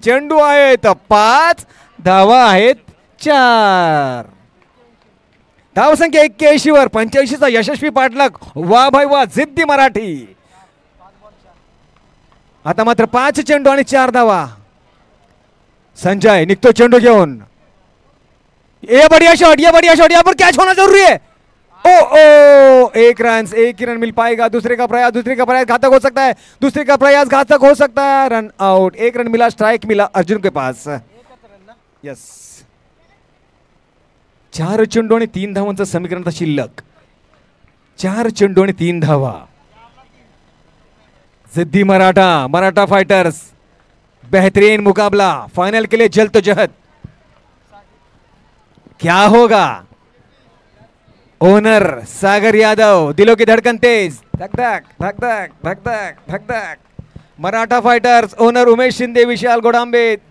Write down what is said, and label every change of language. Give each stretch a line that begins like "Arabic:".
Marathi: चेंडू आहेत 5 धावा आहेत 4. धावसंख्या 81-85 चा यशस्वी पाठलाग. वा भाई वा जिद्दी मराठी. आता मात्र 5 चेंडू आणि 4 धावा. संजय निघतो चेंडू घेऊन.
Hindi: ये बढ़िया शॉट. ये बढ़िया शॉट. यहाँ पर कैच होना जरूरी है. ओ ओ एक रन. एक ही रन मिल पाएगा. दूसरे का प्रयास घातक हो सकता है. Run out. एक रन मिला. स्ट्राइक मिला अर्जुन के पास.
Marathi: यस 4 चेंडू आणि 3 धावांचं समीकरण था शिल्लक. 4 चेंडू आणि 3 धावा.
Hindi: जिद्दी मराठा मराठा फाइटर्स बेहतरीन मुकाबला. फाइनल के लिए जल तो जहद. क्या होगा. ओनर सागर यादव दिलों की धड़कन तेज. धक धक धक धक धक धक धक. मराठा फाइटर्स ओनर उमेश शिंदे विशाल गोडांबे.